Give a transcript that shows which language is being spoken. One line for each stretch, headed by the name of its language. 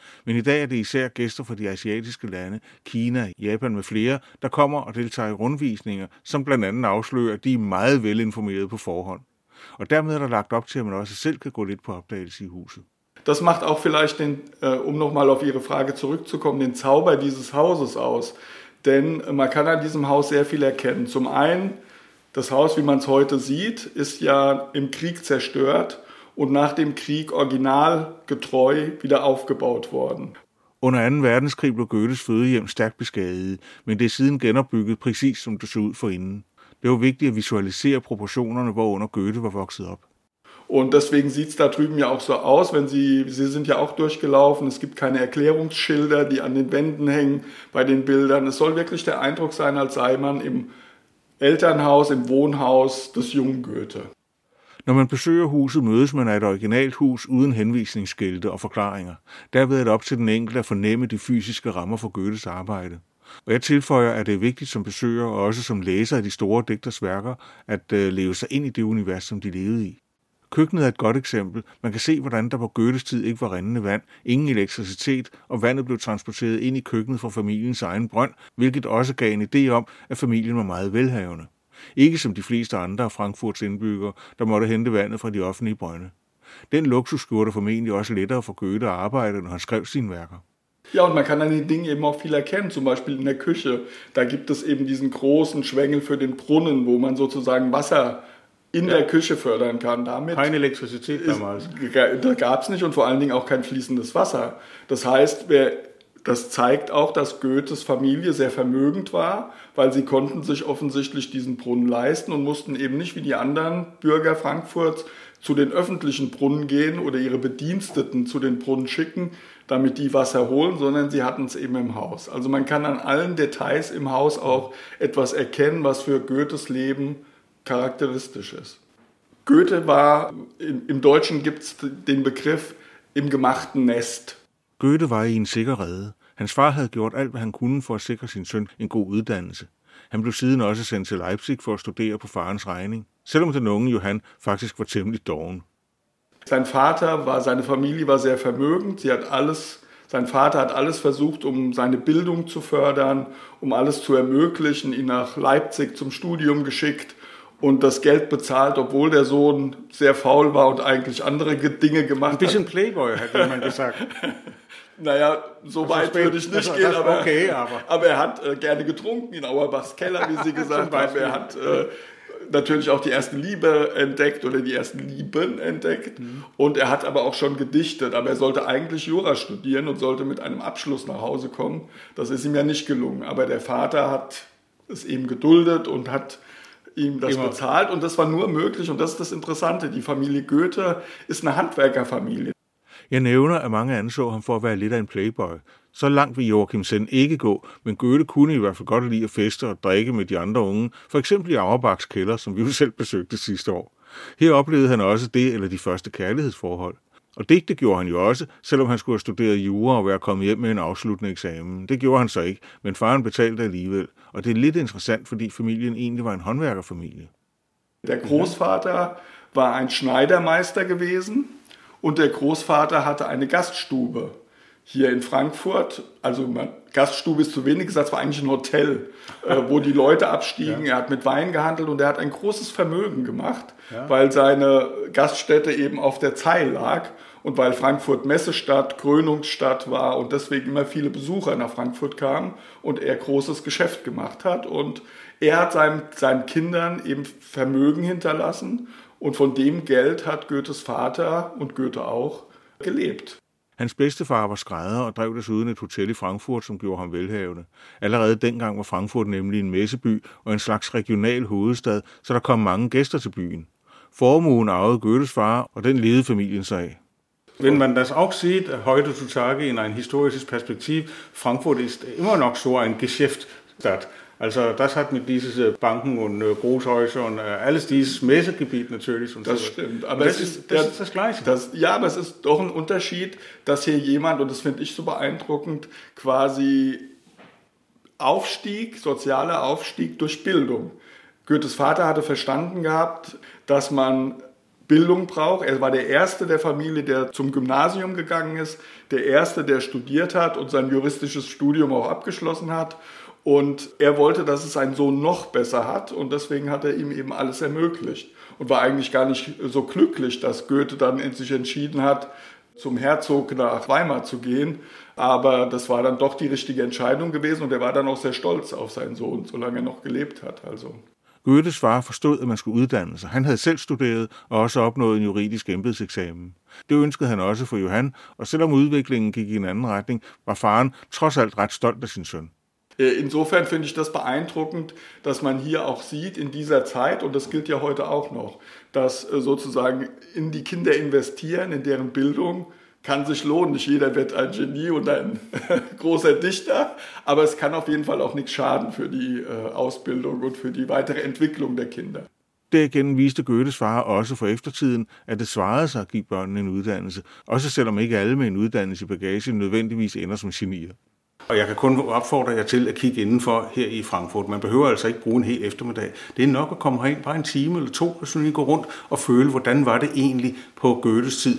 Danish: Men i dag er det især gæster fra de asiatiske lande, Kina, Japan med flere, der kommer og deltager i rundvisninger, som blandt andet afslører, at de er meget velinformerede på forhånd. Og dermed er der lagt op til, at man også selv kan gå lidt på opdagelse i huset.
German: Das macht auch vielleicht den, um nochmal auf Ihre Frage zurückzukommen, den Zauber dieses Hauses aus. Denn man kann an diesem Haus sehr viel erkennen. Zum einen das Haus, wie man es heute sieht, ist ja im Krieg zerstört und nach dem Krieg originalgetreu wieder aufgebaut worden.
Danish: Under 2. Verdenskrig blev Goethes fødehjem stærkt beskadiget, men det er siden genopbygget præcis som det så ud forinden. Det var vigtigt at visualisere proportionerne, hvorunder Goethe var vokset op.
German: Und deswegen sieht es da drüben ja auch so aus, wenn Sie sind ja auch durchgelaufen, es gibt keine Erklärungsschilder, die an den Wänden hängen bei den Bildern. Es soll wirklich der Eindruck sein, als sei man im Elternhaus im Wohnhaus des jungen Goethe.
Danish: Når man besøger huset, mødes man af et originalt hus uden henvisningsskilte og forklaringer. Derved er det op til den enkelte at fornemme de fysiske rammer for Goethes arbejde. Og jeg tilføjer, at det er vigtigt som besøger og også som læser af de store digters værker at leve sig ind i det univers, som de levede i. Køkkenet er et godt eksempel. Man kan se, hvordan der på Goethes tid ikke var rindende vand, ingen elektricitet, og vandet blev transporteret ind i køkkenet fra familiens egen brønd, hvilket også gav en idé om, at familien var meget velhavende. Ikke som de fleste andre af Frankfurts indbyggere, der måtte hente vandet fra de offentlige brønde. Den luksus gjorde det formentlig også lettere for Goethe at arbejde, når han skrev sine værker.
German: Ja, und man kann an den Dingen eben auch viel erkennen, zum Beispiel in der Küche. Da gibt es eben diesen großen Schwengel für den Brunnen, wo man sozusagen Wasser in der Küche fördern kann. Damit keine Elektrizität damals. Da gab es nicht und vor allen Dingen auch kein fließendes Wasser. Das heißt, das zeigt auch, dass Goethes Familie sehr vermögend war, weil sie konnten sich offensichtlich diesen Brunnen leisten und mussten eben nicht wie die anderen Bürger Frankfurts zu den öffentlichen Brunnen gehen oder ihre Bediensteten zu den Brunnen schicken, damit die Wasser holen, sondern sie hatten es eben im Haus. Also man kann an allen Details im Haus auch etwas erkennen, was für Goethes Leben charakteristisch ist. Goethe war, im Deutschen gibt es den Begriff, im gemachten Nest.
Danish: Goethe war i en sikker rede. Hans far havde gjort alt, hvad han kunne for at sikre sin søn en god uddannelse. Han blev siden også sendt til Leipzig for at studere på farens regning, selvom den unge Johann faktisk var temmelig doven.
German: Sein Vater war, seine Familie war sehr vermögend. Sein Vater hat alles versucht, um seine Bildung zu fördern, um alles zu ermöglichen, ihn nach Leipzig zum Studium geschickt und das Geld bezahlt, obwohl der Sohn sehr faul war und eigentlich andere Dinge gemacht hat. Ein bisschen Playboy, hat jemand gesagt. Naja, so weit würde ich nicht gehen, aber er hat gerne getrunken in Auerbachs Keller, wie Sie gesagt haben. Er hat natürlich auch die ersten Liebe entdeckt oder die ersten Lieben entdeckt. Mhm. Und er hat aber auch schon gedichtet. Aber er sollte eigentlich Jura studieren und sollte mit einem Abschluss nach Hause kommen. Das ist ihm ja nicht gelungen. Aber der Vater hat es ihm geduldet und hat ihm das bezahlt. Und das war nur möglich. Und das ist das Interessante. Die Familie Goethe ist eine Handwerkerfamilie.
Danish: Jeg nævner, at mange anså ham for at være lidt af en playboy. Så langt vil Joachim Senn ikke gå, men Goethe kunne i hvert fald godt lide at feste og drikke med de andre unge, for eksempel i Auerbachs kælder, som vi jo selv besøgte sidste år. Her oplevede han også det eller de første kærlighedsforhold. Og digte gjorde han jo også, selvom han skulle have studeret jura og være kommet hjem med en afsluttende eksamen. Det gjorde han så ikke, men faren betalte alligevel. Og det er lidt interessant, fordi familien egentlig var en håndværkerfamilie.
German: Der Großvater var en Schneidermeister gewesen. Und der Großvater hatte eine Gaststube hier in Frankfurt. Also Gaststube ist zu wenig gesagt, es war eigentlich ein Hotel, wo die Leute abstiegen. Ja. Er hat mit Wein gehandelt und er hat ein großes Vermögen gemacht, weil seine Gaststätte eben auf der Zeil lag und weil Frankfurt Messestadt, Krönungsstadt war und deswegen immer viele Besucher nach Frankfurt kamen und er großes Geschäft gemacht hat. Und er hat seinen Kindern eben Vermögen hinterlassen. Und von dem Geld hat Goethes Vater und Goethe auch gelebt.
Danish: Hans bedstefar var skrædder og drev desuden et hotel i Frankfurt, som gjorde ham velhavende. Allerede dengang var Frankfurt nemlig en messeby og en slags regional hovedstad, så der kom mange gæster til byen. Formuen arvede Goethes far, og den levede familien så af.
German: Wenn man das auch sieht, heute zu Tage in ein historisches Perspektiv, Frankfurt ist immer noch so ein Geschäftsstadt. Also das hat mit diesen Banken und Großhäusern und alles dieses Messegebiet natürlich. Und das so stimmt, aber das ist das Gleiche. Aber es ist doch ein Unterschied, dass hier jemand, und das finde ich so beeindruckend, quasi Aufstieg, sozialer Aufstieg durch Bildung. Goethes Vater hatte verstanden gehabt, dass man Bildung braucht. Er war der Erste der Familie, der zum Gymnasium gegangen ist, der Erste, der studiert hat und sein juristisches Studium auch abgeschlossen hat. Und er wollte, dass es seinen Sohn noch besser hat und deswegen hat er ihm eben alles ermöglicht und war eigentlich gar nicht so glücklich, dass Goethe dann in sich entschieden hat, zum Herzog nach Weimar zu gehen. Aber das war dann doch die richtige Entscheidung gewesen und er war dann auch sehr stolz auf seinen Sohn, solange er noch gelebt hat. Also.
Danish: Goethes far forstod, at man skulle uddanne sig. Han havde selv studeret og også opnået en juridisk embedseksamen. Det ønskede han også for Johann, og selvom udviklingen gik i en anden retning, var faren trods alt ret stolt af sin søn.
German: Insofern finde ich das beeindruckend, dass man hier auch sieht in dieser Zeit, und das gilt ja heute auch noch, dass sozusagen in die Kinder investieren, in deren Bildung, kann sich lohnen. Nicht jeder wird ein Genie und ein großer Dichter, aber es kann auf jeden Fall auch nichts schaden für die Ausbildung und für die weitere Entwicklung der Kinder.
Danish: Derigennem viste Goethes far også for eftertiden, at det svarede sig at give børnene en uddannelse, også selvom ikke alle med en uddannelse i bagage nødvendigvis ender som genier. Og jeg kan kun opfordre jer til at kigge indenfor her i Frankfurt. Man behøver altså ikke bruge en hel eftermiddag. Det er nok at komme herind bare en time eller to, og så gå rundt og føle, hvordan var det egentlig på Goethes tid.